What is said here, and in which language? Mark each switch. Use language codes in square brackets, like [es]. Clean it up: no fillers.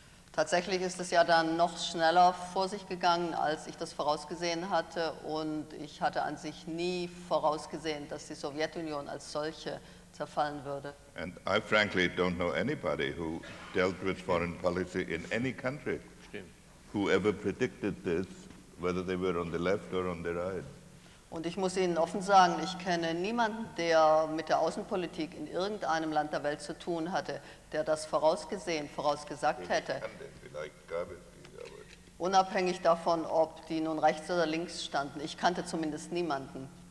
[de] Tatsächlich ist es ja dann noch schneller vor sich gegangen, als ich das vorausgesehen hatte, und ich hatte an sich nie vorausgesehen, dass die Sowjetunion als solche zerfallen würde. [en] And I frankly don't know anybody who dealt with foreign policy in any country who ever predicted this, whether they were on the left or on the right. [de] Und ich muss Ihnen offen sagen, ich kenne niemanden, der mit der Außenpolitik in irgendeinem Land der Welt zu tun hatte, der das vorausgesagt hätte. Unabhängig davon, ob die nun rechts oder links standen. Ich kannte zumindest niemanden.